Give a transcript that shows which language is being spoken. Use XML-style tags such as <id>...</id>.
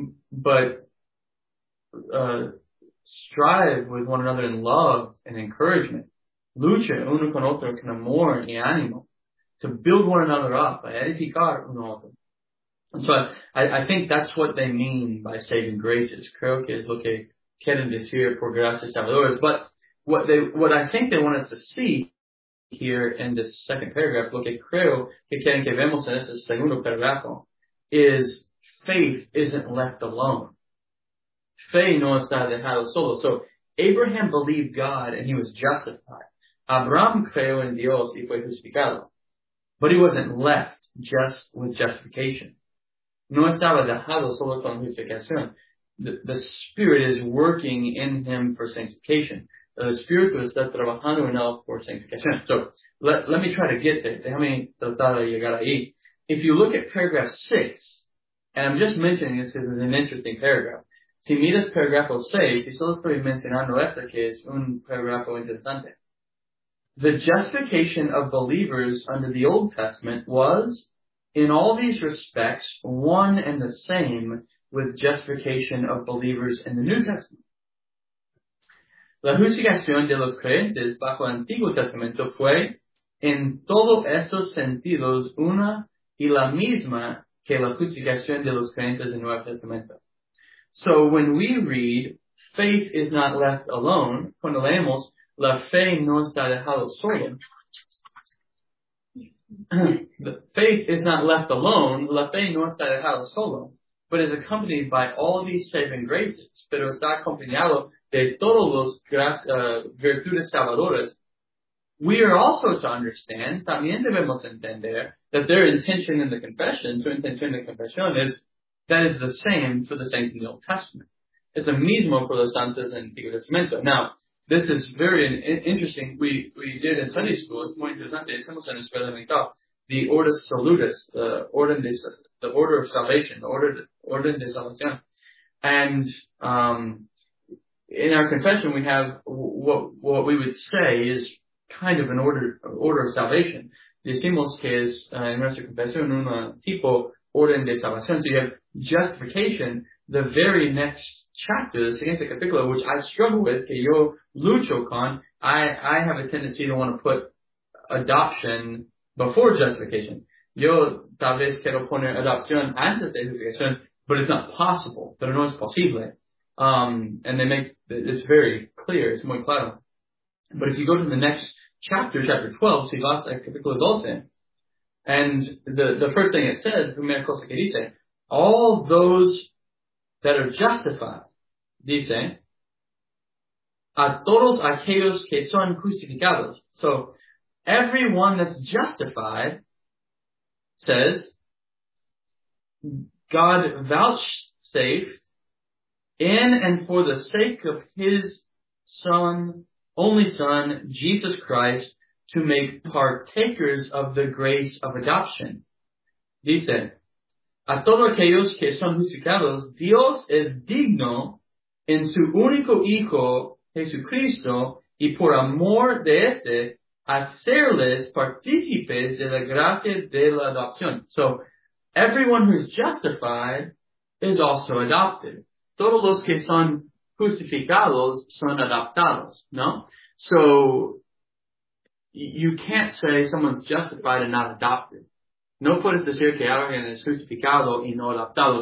<en>But, strive with one another in love and encouragement.</en> <es>Lucha uno con otro con amor y ánimo.</es> <en>To build one another up.</en> <es>A edificar uno otro.</es> <en>And so I think that's what they mean by saving graces.</en> <es>Creo que es lo que quieren decir por gracias salvadoras.</es> <en>But what I think they want us to see here in this second paragraph,</en> <es>lo que creo que quieren que vemos en este segundo paragrafo,</es> <en>is faith isn't left alone.</en> <es>Fe no está dejado solo.</es> <en>So, Abraham believed God and he was justified.</en> <es>Abraham creyó en Dios y fue justificado.</es> <en>But he wasn't left just with justification.</en> <es>No estaba dejado solo con justificación.</es> <en>the Spirit is working in him for sanctification.</en> <es>El Espíritu está trabajando en él por sanctificación.</es> <en>So, let me try to get there.</en> <es>Déjame tratar de llegar ahí.</es> <en>If you look at paragraph 6, and I'm just mentioning this because it's an interesting paragraph.</en> <es>Si miras paragrafo 6, si solo estoy mencionando esto, que es un paragrafo interesante.</es> <en>The justification of believers under the Old Testament was, in all these respects, one and the same with justification of believers in the New Testament.</en> <es>La justificación de los creyentes bajo el Antiguo Testamento fue, en todos esos sentidos, una y la misma que la justificación de los creyentes en el Nuevo Testamento.</es> <en>So when we read, faith is not left alone,</en> <es>cuando leemos, la fe no está dejado solo.</es> <en>The faith is not left alone.</en> <es>La fe no está dejado solo.</es> <en>But is accompanied by all these saving graces.</en> <es>Pero está acompañado de todos los virtudes salvadoras.</es> <en>We are also to understand,</en> <es>también debemos entender,</es> <en>that their intention in the confession,</en> <es>su intención en la confesión,</es> <en>is that is the same for the saints in the Old Testament.</en> <es>Es el mismo por los santos en el Antiguo Testamento.</es> <en>Now, this is very interesting. We did in Sunday school. It's</en> <es>muy interesante. Hicimos en escuela dominical.</es> <en>The Ordo Salutis, the order of salvation,</en> <es>the orden de salvación.</es> <en>And, in our confession, we have what we would say is kind of an order of salvation.</en> <es>Decimos que es, en nuestra confesión, un tipo orden de salvación.</es> <en>So you have justification, the very next chapter, the</en> <es>siguiente capítulo,</es> <en>which I struggle with,</en> <es>que yo lucho con,</es> <en>I have a tendency to want to put adoption before justification.</en> <es>Yo tal vez quiero poner adopción antes de justificación,</es> <en>but it's not possible.</en> <es>Pero no es posible.</es> <en>And they make, it's very clear, it's</en> <es>muy claro.</es> <en>But if you go to the next chapter, chapter 12,</en> <es>si vas a capítulo 12,</es> <en>and the first thing it says,</en> <es>primera cosa que dice,</es> <en>all those that are justified,</en> <es>dice, a todos aquellos que son justificados.</es> <en>So, everyone that's justified says, God vouchsafed in and for the sake of his son, only son, Jesus Christ, to make partakers of the grace of adoption.</en> <es>Dice, a todos aquellos que son justificados, Dios es digno en su único Hijo, Jesucristo, y por amor de este, hacerles partícipes de la gracia de la adopción.</es> <en>So, everyone who's justified is also adopted.</en> <es>Todos los que son justificados son adoptados, ¿no?</es> <en>So, you can't say someone's justified and not adopted.</en> <es>No puedes decir que alguien es justificado y no adoptado.</es>